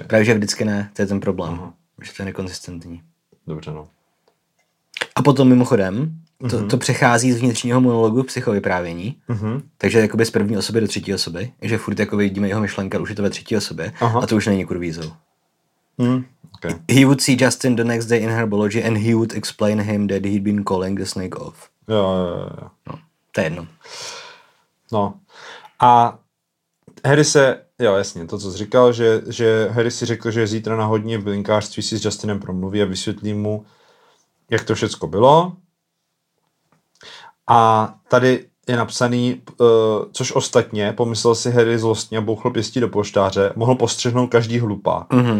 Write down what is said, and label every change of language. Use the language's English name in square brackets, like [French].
[Czech] Právě, že vždycky ne, to je ten problém, že to je nekonzistentní. Dobře, no. A potom mimochodem, to přechází z vnitřního monologu psychovyprávění, takže jakoby z první osoby do třetí osoby, že furt jako vidíme jeho myšlenka, už je to ve třetí osobě, a to už není kurvízou. [English] Okay. He would see Justin the next day in Herbology and he would explain him that he'd been calling the snake off. [Czech] Jo. No, to je jedno. No. A Harry se, jo jasně, to co jsi říkal, že Harry si řekl, že zítra na hodině v bylinkářství si s Justinem promluví a vysvětlí mu, jak to všecko bylo. A tady je napsaný, což ostatně, pomyslel si Harry zlostně a bouchl pěstí do poštáře, mohl postřehnout každý hlupák.